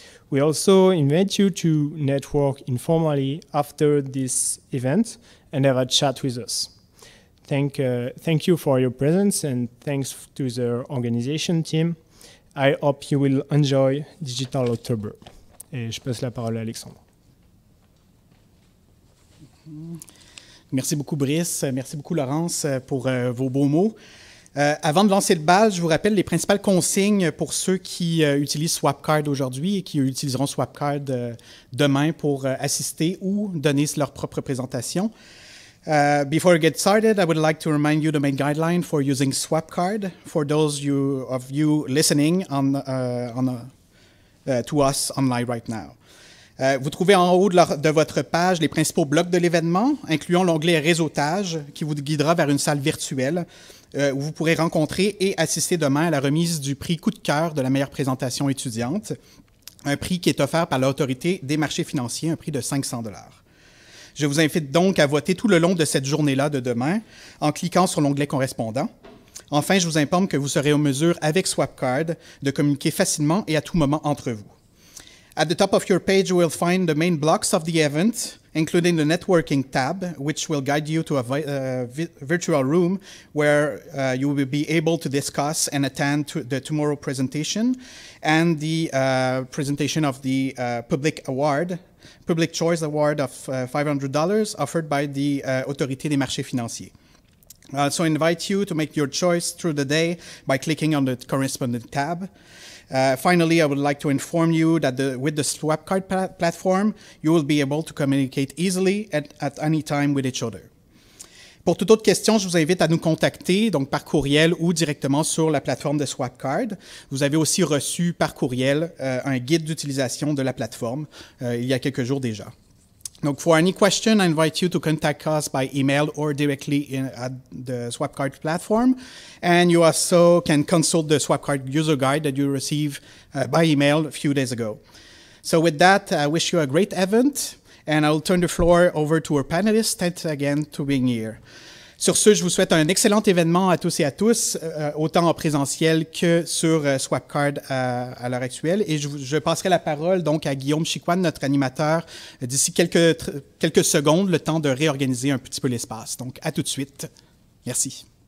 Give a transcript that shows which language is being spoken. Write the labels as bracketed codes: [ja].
[en] We also invite you to network informally after this event and have a chat with us. Thank you for your presence and thanks to the organization team. I hope you will enjoy Digital October. [fr] Et je passe la parole à Alexandre. Merci beaucoup Brice, merci beaucoup Laurence pour vos beaux mots. Avant de lancer le bal, je vous rappelle les principales consignes pour ceux qui utilisent Swapcard aujourd'hui et qui utiliseront Swapcard demain pour assister ou donner leur propre présentation. [en] Before we get started, I would like to remind you the main guidelines for using Swapcard. For those of you listening to us online right now, [fr] Vous trouvez en haut de votre page les principaux blocs de l'événement, incluant l'onglet « Réseautage » qui vous guidera vers une salle virtuelle où vous pourrez rencontrer et assister demain à la remise du prix Coup de cœur de la meilleure présentation étudiante, un prix qui est offert par l'Autorité des marchés financiers, un prix de 500 $. Je vous invite donc à voter tout le long de cette journée-là de demain en cliquant sur l'onglet « Correspondant ». Enfin, je vous informe que vous serez en mesure, avec Swapcard, de communiquer facilement et à tout moment entre vous. [en] At the top of your page, you will find the main blocks of the event, including the networking tab, which will guide you to a virtual room where you will be able to discuss and attend to the tomorrow presentation and the presentation of the public choice award of $500 offered by the Autorité des marchés financiers. I also invite you to make your choice through the day by clicking on the correspondent tab. Finally, I would like to inform you that with the Swapcard platform, you will be able to communicate easily at any time with each other. [fr] Pour toute autre question, je vous invite à nous contacter donc par courriel ou directement sur la plateforme de Swapcard. Vous avez aussi reçu par courriel un guide d'utilisation de la plateforme il y a quelques jours déjà. [en] Donc, for any question, I invite you to contact us by email or directly at the Swapcard platform. And you also can consult the Swapcard user guide that you received by email a few days ago. So with that, I wish you a great event, and I'll turn the floor over to our panelists. Thanks again to being here. [fr] Sur ce, je vous souhaite un excellent événement à tous et à tous, autant en présentiel que sur Swapcard à l'heure actuelle. Et je passerai la parole donc à Guillaume Chiquan, notre animateur, d'ici quelques secondes, le temps de réorganiser un petit peu l'espace. Donc, à tout de suite. Merci.